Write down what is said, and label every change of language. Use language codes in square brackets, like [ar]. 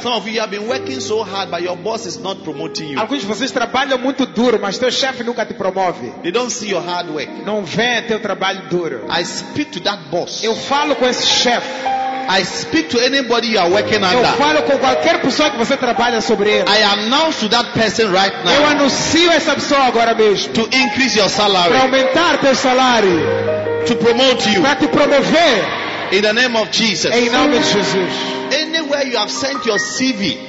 [en] Some of you have been working so hard, but your boss is not promoting you. [pt] Alguns de vocês trabalham muito duro, mas teu chefe nunca te promove. [en] They don't see your hard work. [pt] Não vê teu trabalho duro. [en] I speak to that boss. [pt] Eu falo com esse chefe. [en] I speak to anybody you are working under. [pt] Eu falo com qualquer pessoa que você trabalha sobre ele. [en] I announce to that person right now. [pt] Eu anuncio essa pessoa agora mesmo. [en] To increase your salary. [pt] Para aumentar teu salário. [en] To promote you. [pt] Para te promover. [en] In the name of Jesus. [pt] Em nome de Jesus. [en] Anywhere you have sent your CV.